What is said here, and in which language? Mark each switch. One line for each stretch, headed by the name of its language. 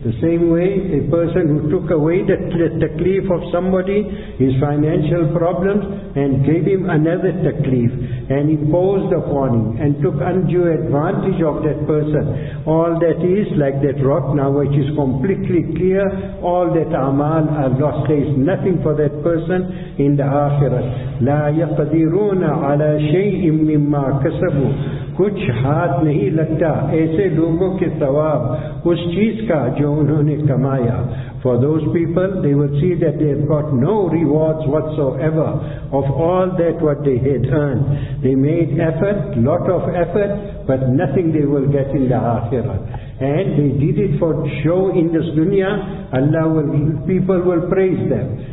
English: The same way, a person who took away the taklif of somebody, his financial problems, and gave him another taklif, and imposed upon him, and took undue advantage of that person. All that is like that rock now, which is completely clear, all that amal are lost. There is nothing for that person in the akhirah.
Arabic: لا يقدرون على شيء مما كسبوا.
Urdu: کچھ ہاتھ نہیں لگتا ایسے لوگوں کے ثواب اس چیز کا جو انہوں نے کمایا.
English: For those people, they will see that they have got no rewards whatsoever of all that what they had earned. They made effort, lot of effort, but nothing they will get in the akhirah. And they did it for show in this dunya, people will praise them.